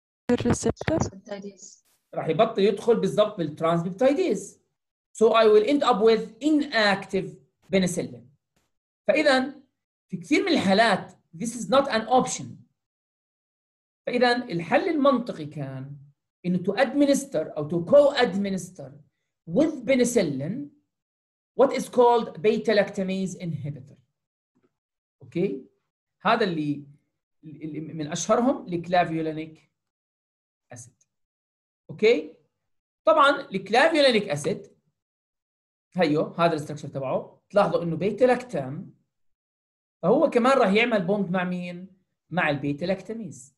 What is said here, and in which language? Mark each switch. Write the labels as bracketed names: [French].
[Arabic] الريسبتور راح يبطل يدخل بالضبط بالترانسبيبتايديز. [English] So I will end up with inactive penicillin. [Arabic] فإذا في كثير من الحالات [English] this is not an option. [Arabic] فإذا الحل المنطقي كان إنه [English] to administer أو to co-administer with penicillin what is called beta lactamase inhibitor. [Arabic] Okay؟ هذا اللي من أشهرهم الكلافيولينيك أسيد. اوكي طبعا الكلافيولينيك اسيد هيو هذا الاستراكشر تبعه، تلاحظوا انه بيتا لاكتام، فهو كمان راح يعمل بوند مع مين؟ مع البيتا لاكتاميز.